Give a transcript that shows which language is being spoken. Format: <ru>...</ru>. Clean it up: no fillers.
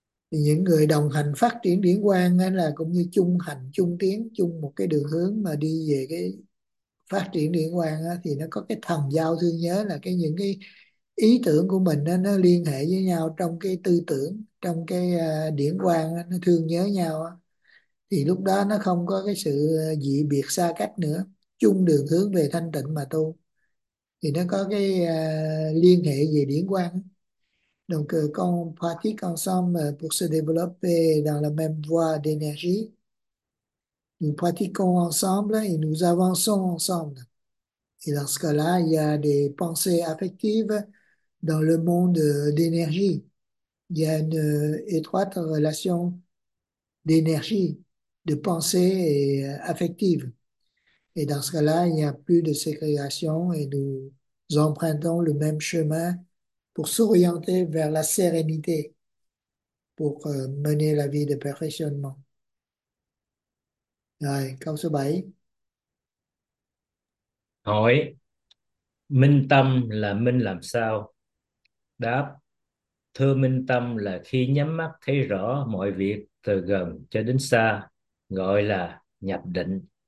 <vi>Những người đồng hành phát triển điển quang ấy là cũng như chung hành chung tiến, chung một cái đường hướng mà đi về cái phát triển điển quang ấy, thì nó có cái thần giao thương nhớ, là cái những cái ý tưởng của mình ấy, nó liên hệ với nhau trong cái tư tưởng, trong cái điển quang ấy, nó thương nhớ nhau ấy. Thì lúc đó nó không có cái sự dị biệt xa cách nữa, chung đường hướng về thanh tịnh mà tu, thì nó có cái liên hệ về điển quang.</vi> <fr>Donc, quand on pratique ensemble pour se développer dans la même voie d'énergie, nous pratiquons ensemble et nous avançons ensemble. Et dans ce cas-là, il y a des pensées affectives dans le monde d'énergie. Il y a une étroite relation d'énergie, de pensée affective. Et dans ce cas-là, il n'y a plus de ségrégation et nous empruntons le même chemin pour s'orienter vers la sérénité, pour mener la vie de perfectionnement.</fr> <vi>Rồi, câu số 7. Hỏi: minh tâm là minh làm sao? Đáp: thưa, minh tâm là khi nhắm mắt thấy rõ mọi việc từ gần cho đến xa, gọi là nhập định.</vi>